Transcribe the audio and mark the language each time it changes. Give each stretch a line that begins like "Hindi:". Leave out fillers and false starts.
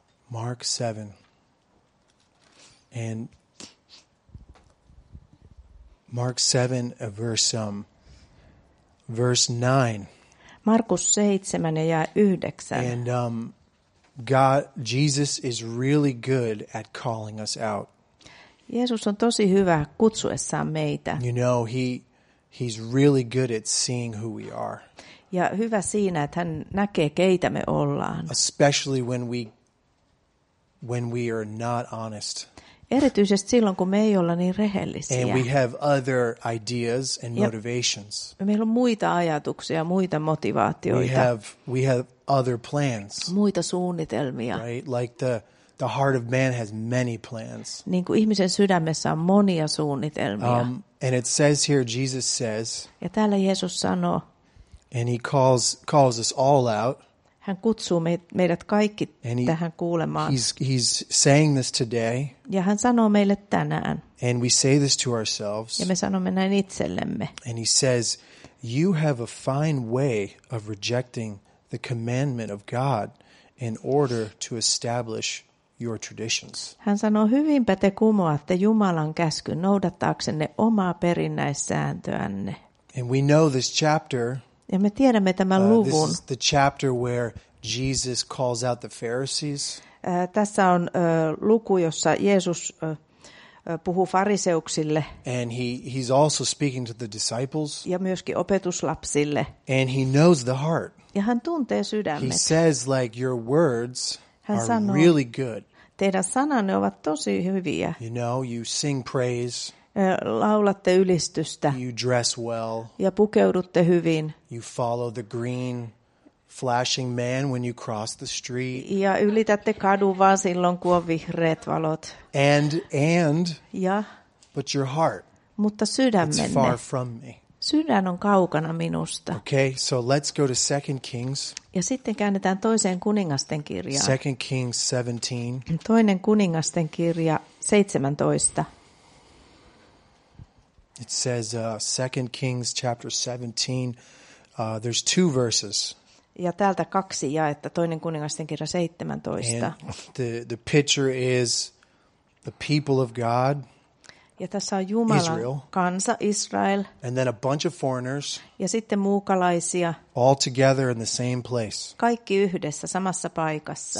English: Mark 7. And Mark 7, verse 9.
Finnish: Markus 7 ja 9.
English: And God, Jesus is really good at calling us out.
Finnish: Jeesus on tosi hyvä kutsuessaan meitä.
English: You know, He's really good at seeing who we are.
Finnish: Ja hyvä siinä, että hän näkee, keitä me ollaan.
English: Especially when we are not honest.
Finnish: Erityisesti silloin, kun me ei olla niin rehellisiä.
English: And we have other ideas and motivations.
Finnish: Ja meillä on muita ajatuksia, muita motivaatioita.
English: We have other plans.
Finnish: Muita suunnitelmia.
English: Right? Like the heart of man has many plans.
Finnish: Niin kuin ihmisen sydämessä on monia suunnitelmia.
English: And it says here, Jesus says,
Finnish: ja täällä Jeesus sanoo,
English: and he calls us all out.
Finnish: Hän kutsuu meidät kaikki tähän kuulemaan.
English: He's saying this today.
Finnish: Ja hän sanoo meille tänään.
English: And we say this to ourselves.
Finnish: Ja me sanomme näin itsellemme.
English: And he says, you have a fine way of rejecting the commandment of God in order to establish your traditions.
Finnish: Hän sanoo, hyvinpä te kumoatte Jumalan käskyn noudattaaksenne omaa perinnäissääntöänne.
English: And we know this chapter.
Finnish: Ja me tiedämme tämän luvun.
English: This is the chapter where Jesus calls out the Pharisees.
Finnish: Tässä on luku, jossa Jeesus puhuu fariseuksille.
English: And he's also speaking to the disciples.
Finnish: Ja myöskin opetuslapsille.
English: And he knows the heart.
Finnish: Ja hän tuntee sydämet.
English: He says, like, your words
Finnish: sanoo,
English: are really good.
Finnish: Teidän sananne ovat tosi hyviä.
English: You know, you sing praise.
Finnish: Laulatte ylistystä.
English: You dress well.
Finnish: Ja pukeudutte hyvin.
English: You follow the green flashing man when you cross the street.
Finnish: Ja ylitätte kadun vaan silloin, kun on vihreät valot.
English: And
Finnish: ja,
English: but your heart,
Finnish: mutta sydämenne,
English: it's far from me.
Finnish: Sydän on kaukana minusta.
English: Okay, so let's go to 2 Kings.
Finnish: Ja sitten käännetään toiseen kuningasten kirjaan.
English: 2 Kings 17.
Finnish: Toinen kuningasten kirja 17.
English: It says 2 Kings chapter 17, there's two verses.
Finnish: Ja täältä kaksi jaetta, toinen kuningasten kirja 17.
English: The picture is the people of God.
Finnish: Ja tässä on Jumalan
English: Israel,
Finnish: kansa Israel.
English: And then a bunch of foreigners.
Finnish: Ja sitten muukalaisia.
English: All together in the same place.
Finnish: Kaikki yhdessä samassa paikassa.